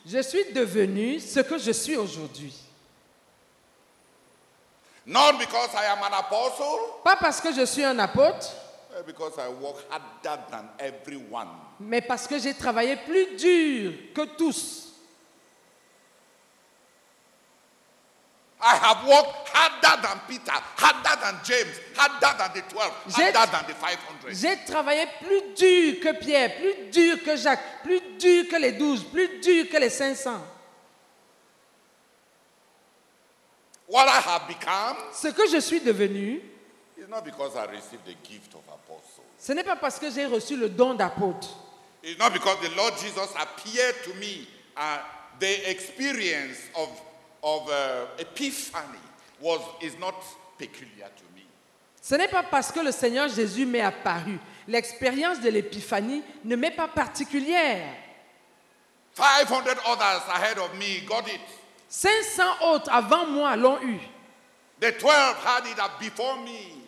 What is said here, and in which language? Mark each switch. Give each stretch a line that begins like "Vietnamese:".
French: Je suis devenu ce que je suis aujourd'hui.
English: Not because I am an apostle.
French: Pas parce que je suis un apôtre.
English: Because I work harder than everyone.
French: Mais parce que j'ai travaillé plus dur que tous.
English: I have worked harder than Peter, harder than James, harder than the 12, harder than the 500.
French: J'ai travaillé plus dur que Pierre, plus dur que Jacques, plus dur que les 12, plus dur que les 500.
English: What I have become?
French: Ce que je suis devenu.
English: It's not because I received the gift of apostle.
French: Ce n'est pas parce que j'ai reçu le don d'apôtre.
English: It's not because the Lord Jesus appeared to me the experience of epiphany is not peculiar to me.
French: Ce n'est pas parce que le Seigneur Jésus m'est apparu. L'expérience de l'épiphanie ne m'est pas particulière.
English: 500 others ahead of me got it.
French: 500 autres avant moi l'ont eu.
English: The 12 had it before me.